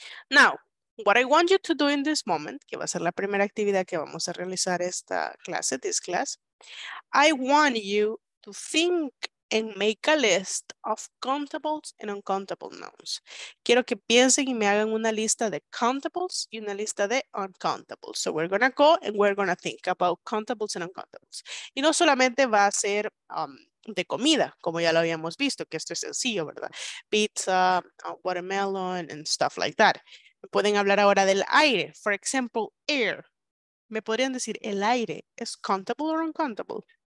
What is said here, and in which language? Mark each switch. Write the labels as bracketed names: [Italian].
[English] Now, what I want you to do in this moment, [Spanish] que va a ser la primera actividad que vamos a realizar esta clase, [English] this class, I want you to think and make a list of countables and uncountable nouns. [Spanish] Quiero que piensen y me hagan una lista de countables y una lista de uncountables. [English] So we're going to go and we're going to think about countables and uncountables. [Spanish] Y no solamente va a ser de comida, como ya lo habíamos visto, que esto es sencillo, ¿verdad? [English] Pizza, watermelon, and stuff like that. [Spanish] Me pueden hablar ahora del aire. [English] For example, air. [Spanish] Me podrían decir, ¿el aire es [English] countable or uncountable?